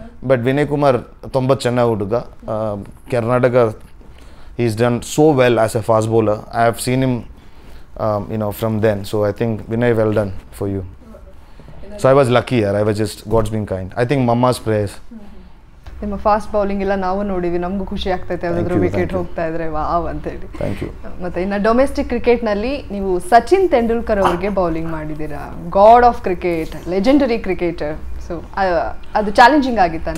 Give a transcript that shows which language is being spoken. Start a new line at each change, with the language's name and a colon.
English: but Vinay Kumar
Kannada: ತುಂಬ ಚೆನ್ನಾಗಿ ಹುಡುಗ,
English: Karnataka is done so well as a fast bowler. I have seen him from then. So I think Vinay, well done for you. So I was lucky here. I was just God's been kind. I think mama's prayers.
Kannada: ನಿಮ್ಮ fast bowling ಎಲ್ಲ ನಾವು ನೋಡಿವಿ, ನಮಗೂ ಖುಷಿ ಆಗ್ತೈತೆ ಅದ್ರ wicket ಹೋಗ್ತಾ ಇದ್ರೆ ವಾವ್ ಅಂತೇಳಿ.
English: Thank you.
Kannada: ಮತ್ತೆ ಇನ್ನು ಡೊಮೆಸ್ಟಿಕ್ ಕ್ರಿಕೆಟ್ನಲ್ಲಿ ನೀವು ಸಚಿನ್ ತೆಂಡೂಲ್ಕರ್ ಅವ್ರಿಗೆ ಬೌಲಿಂಗ್ ಮಾಡಿದ್ದೀರಾ,
English: God of cricket, legendary cricketer.
Kannada: So ಅದು ಚಾಲೆಂಜಿಂಗ್ ಆಗಿತ್ತು?